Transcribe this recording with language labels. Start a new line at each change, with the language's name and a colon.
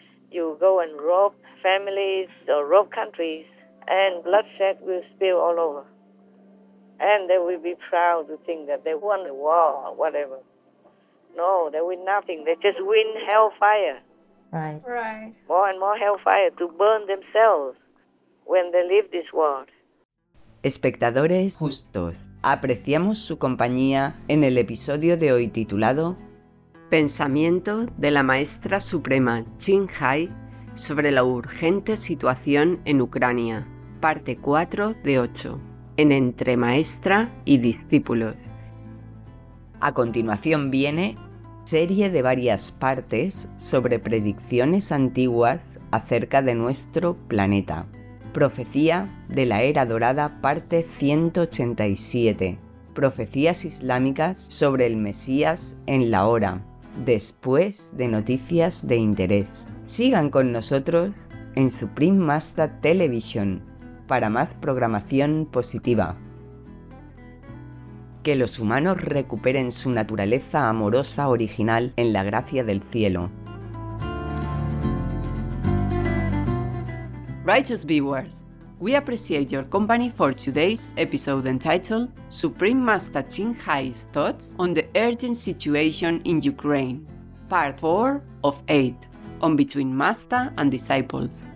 English: You will go and rob families or rob countries, and bloodshed will spill all over. And they will be proud to think that they won the war or whatever. No, they win nothing. They just win hellfire. Right. More and more hellfire to burn themselves when they leave this world.
Spanish: Espectadores justos, apreciamos su compañía en el episodio de hoy titulado Pensamiento de la Maestra Suprema Ching Hai sobre la urgente situación en Ucrania, parte 4 de 8, en Entre Maestra y Discípulos. A continuación viene serie de varias partes sobre predicciones antiguas acerca de nuestro planeta. Profecía de la Era Dorada, parte 187. Profecías islámicas sobre el Mesías en la Hora. Después de noticias de interés. Sigan con nosotros en Supreme Master Television para más programación positiva. Que los humanos recuperen su naturaleza amorosa original en la gracia del cielo.
English: Righteous viewers, we appreciate your company for today's episode entitled Supreme Master Ching Hai's Thoughts on the Urgent Situation in Ukraine, Part 4 of 8, on Between Master and Disciples.